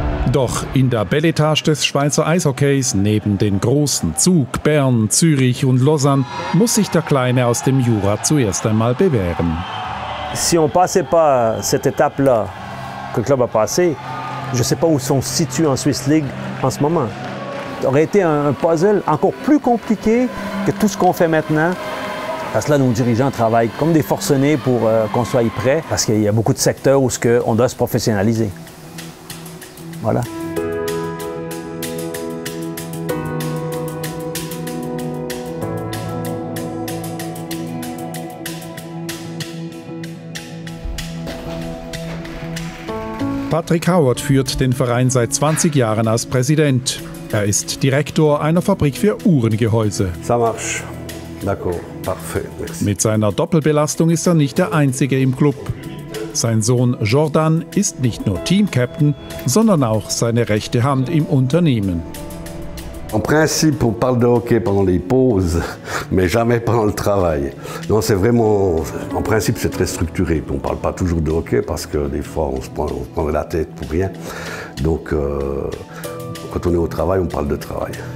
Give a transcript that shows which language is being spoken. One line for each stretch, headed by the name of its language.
German: Doch in der Belletage des Schweizer Eishockeys, neben den großen Zug, Bern, Zürich und Lausanne, muss sich der Kleine aus dem Jura zuerst einmal bewähren.
French: Si on passait pas cette étape-là que le club a passé, je sais pas où on se situe en Swiss League en ce moment. Ça aurait été un puzzle encore plus compliqué que tout ce qu'on fait maintenant. Parce que là, nos dirigeants travaillent comme des forcenés pour qu'on soit prêt, parce qu'il y a beaucoup de secteurs où on doit se professionnaliser. Voilà.
German: Patrick Howard führt den Verein seit 20 Jahren als Präsident. Er ist Direktor einer Fabrik für Uhrengehäuse.
French: Ça marche. D'accord. Parfait. Merci.
German: Mit seiner Doppelbelastung ist er nicht der Einzige im Club. Sein Sohn Jordan ist nicht nur Team-Captain, sondern auch seine rechte Hand im Unternehmen.
French: En principe, on parle de hockey pendant les pauses. mais jamais pendant le travail. Non, c'est vraiment, en principe, c'est très structuré. On ne parle pas toujours de hockey parce que des fois, on se prend la tête pour rien. Donc, quand on est au travail, on parle de travail.